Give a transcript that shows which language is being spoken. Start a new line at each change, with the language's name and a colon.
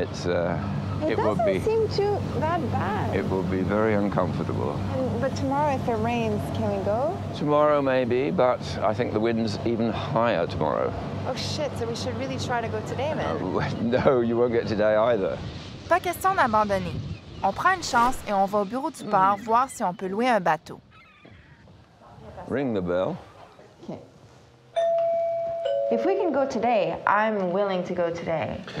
English: It doesn't seem too bad. It would be very uncomfortable. But tomorrow, if it rains, can we go? Tomorrow, maybe, but I think the wind's even higher tomorrow. Oh, shit, so we should really try to go today, then. No, you won't get today either.
French: Pas question d'abandonner. On prend une chance et on va au bureau du port voir si on peut louer un bateau.
English: Ring the bell. If we can go today, I'm willing to go today.